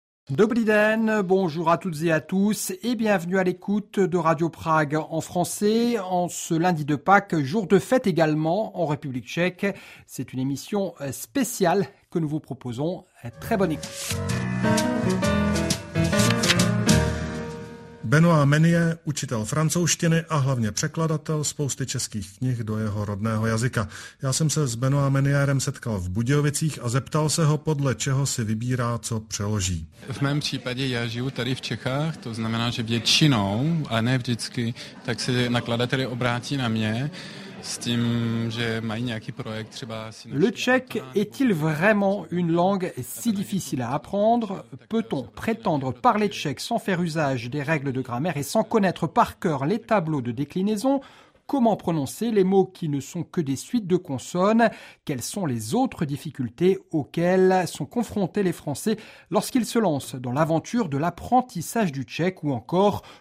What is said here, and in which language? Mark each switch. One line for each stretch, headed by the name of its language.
Czech: Dobrý den,
French: bonjour à toutes et à tous et bienvenue à l'écoute de Radio Prague en français en ce lundi de Pâques, jour de fête également en République tchèque. C'est une émission spéciale que nous vous proposons. Très bonne écoute.
Czech: Benoît Meny je učitel francouzštiny a hlavně překladatel spousty českých knih do jeho rodného jazyka. Já jsem se s Benoît Menyérem setkal v Budějovicích a zeptal se ho, podle čeho si vybírá, co přeloží. V mém případě já žiju tady v Čechách, to znamená, že většinou, a ne vždycky, tak se nakladateli obrátí na mě s tím, že mají nějaký projekt třeba...
French: Le tchèque est-il vraiment une langue si difficile à apprendre? Peut-on prétendre parler tchèque sans faire usage des règles de grammaire et sans connaître par cœur les tableaux de déclinaison? Comment prononcer les mots qui ne sont que des suites de consonnes? Quelles sont les autres difficultés auxquelles sont confrontés les Français lorsqu'ils se lancent dans l'aventure de l'apprentissage du tchèque ou encore...